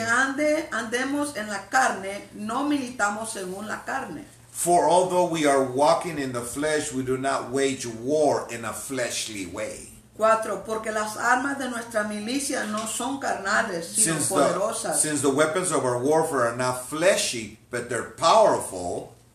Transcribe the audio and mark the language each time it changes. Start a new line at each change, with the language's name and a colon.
Spanish: Aunque andemos en la carne, no militamos según la carne.
English: For although we are walking in the flesh, we do not wage war in a fleshly way. 4.
Spanish: Porque las armas de nuestra milicia no son carnales, sino poderosas.
English: Since the weapons of our warfare are not fleshy, but they're powerful.